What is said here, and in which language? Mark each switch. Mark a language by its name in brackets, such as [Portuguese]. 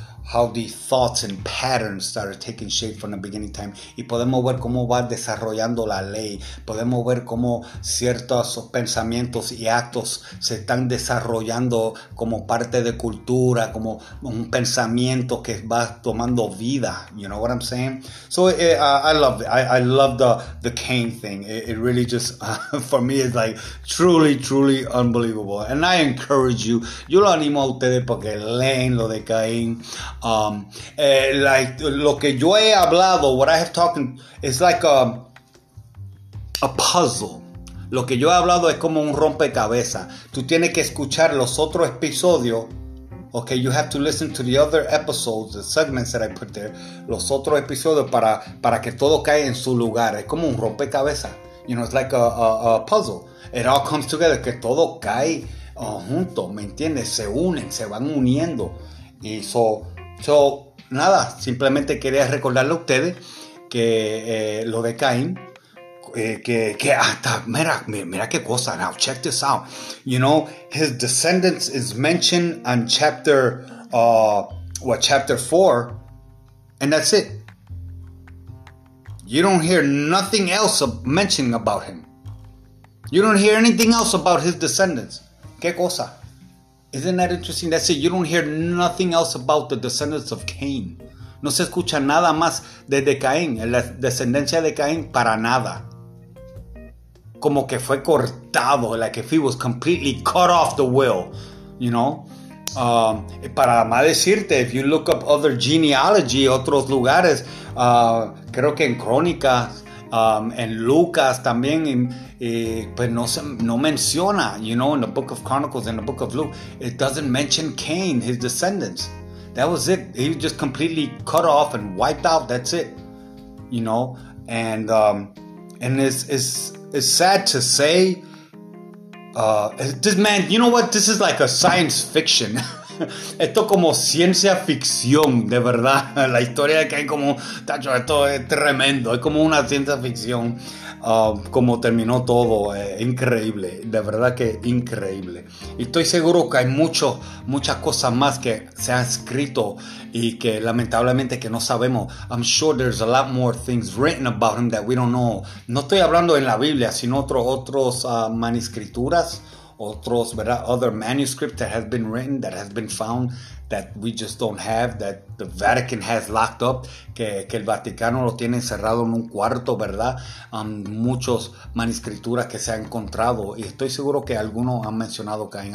[English] How these thoughts and patterns started taking shape from the beginning time. [Spanish] Y podemos ver cómo va desarrollando la ley. Podemos ver cómo ciertos pensamientos y actos se están desarrollando como parte de cultura, como un pensamiento que va tomando vida. [English] You know what I'm saying? So I love the Cain thing. It really just, for me, is like truly, truly unbelievable. And I encourage you. [Spanish] Yo lo animo a ustedes porque leen lo de Cain. Lo que yo he hablado, [English] what I have talked, it's like a puzzle. [Spanish] Lo que yo he hablado es como un rompecabezas. Tú tienes que escuchar los otros episodios. [English] Okay, you have to listen to the other episodes, the segments that I put there. [Spanish] Los otros episodios para que todo caiga en su lugar. Es como un rompecabezas. [English] You know, it's like a puzzle. It all comes together. [Spanish] Que todo cae junto, ¿me entiendes? Se unen, se van uniendo. Y so, nada, simplemente quería recordarle a ustedes que lo de Caín, que hasta, mira qué cosa, [English] now check this out. You know, his descendants is mentioned on chapter 4, and that's it. You don't hear nothing else mentioning about him. You don't hear anything else about his descendants. [Spanish] Qué cosa. [English] Isn't that interesting? That's it. You don't hear nothing else about the descendants of Cain. [Spanish] No se escucha nada más de Caín, la descendencia de Caín para nada. Como que fue cortado, [English] like if he was completely cut off the will, you know? [Spanish] Para más decirte, [English] if you look up other genealogy, [Spanish] otros lugares, creo que en Crónicas, en Lucas también, pues no menciona, [English] in the book of Chronicles, in the book of Luke, it doesn't mention Cain, his descendants. That was it. He was just completely cut off and wiped out. That's it. You know? And it's sad to say, this man, you know what? This is like a science fiction. [Spanish] Esto como ciencia ficción, de verdad. La historia de Cain como, tacho, esto es tremendo. Es como una ciencia ficción. Como terminó todo, increíble. De verdad que increíble. Y estoy seguro que hay muchas cosas más que se han escrito y que lamentablemente que no sabemos. [English] I'm sure there's a lot more things written about him that we don't know. [Spanish] No estoy hablando en la Biblia, sino otros manuscrituras. Otros, ¿verdad? [English] Other manuscripts that have been written, that have been found, that we just don't have, that the Vatican has locked up, [Spanish] que el Vaticano lo tiene encerrado en un cuarto, ¿verdad? Muchos manuscrituras que se han encontrado, y estoy seguro que algunos han mencionado Cain.